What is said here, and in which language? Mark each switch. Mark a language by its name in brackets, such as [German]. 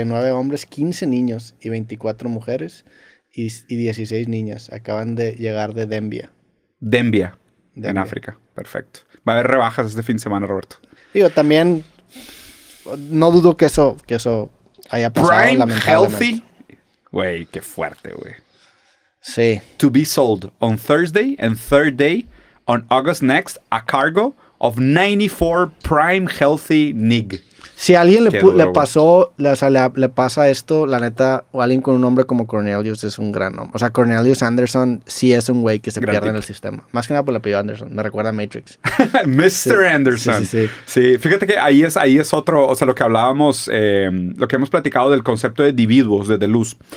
[Spanish] 39 hombres, 15 niños y 24 mujeres... Y 16 niñas acaban de llegar de Dembia, en África. Perfecto. Va a haber rebajas este fin de semana, Roberto. Digo, también no dudo que eso haya pasado. [English] Prime, healthy. [Spanish] Güey, qué fuerte, güey. Sí. [English] To be sold on Thursday and third day on August next a cargo of 94 prime healthy NIG. [Spanish] Si a alguien le pasa esto, la neta, o alguien con un nombre como Cornelius es un gran nombre. O sea, Cornelius Anderson sí es un güey que se pierde en el sistema. Más que nada por el apellido Anderson. Me recuerda a Matrix. Mr. Sí. Anderson. Sí, sí, sí. Sí, fíjate que ahí es otro, o sea, lo que hablábamos, lo que hemos platicado del concepto de individuos de Deleuze.